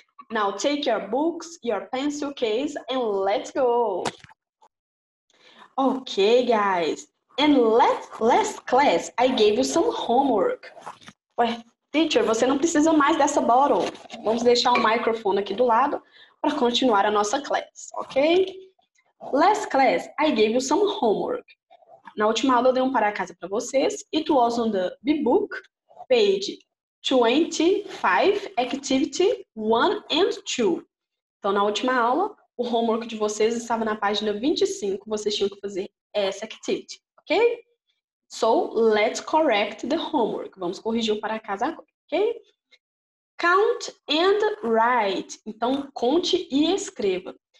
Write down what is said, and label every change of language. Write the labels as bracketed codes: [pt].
[en] Now take your books, your pencil case, and let's go. Okay, guys. And last class, I gave you some homework. [pt] Ué, teacher, você não precisa mais dessa bottle. Vamos deixar o microfone aqui do lado para continuar a nossa class, ok? [en] Last class, I gave you some homework. [pt] Na última aula, eu dei um para casa para vocês. [en] It was on the B-book, page 25, activity 1 and 2. [pt] Então, na última aula, o homework de vocês estava na página 25. Vocês tinham que fazer essa activity, ok? [en] So, let's correct the homework. [pt] Vamos corrigir o para casa agora, ok? [en] Count and write. [pt] Então, conte e escreva.